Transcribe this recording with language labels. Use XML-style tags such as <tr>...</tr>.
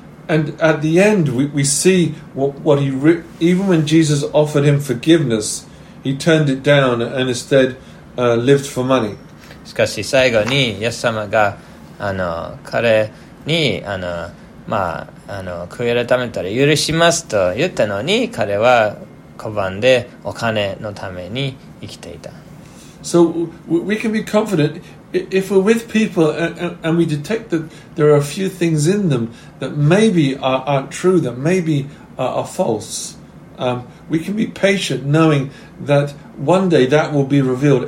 <en>And at the end we see what he even when Jesus offered him forgiveness, he turned it down and instead lived for money.</en> <ja>しかし最後にイエス様が彼に悔い改めたら許しますと言ったのに、彼は拒んでお金のために生きていた。</ja> <en>So we can be confident if we're with people and we detect that there are a few things in them that maybe aren't true, that maybe are false, we can be patient knowing that one day that will be revealed.</en>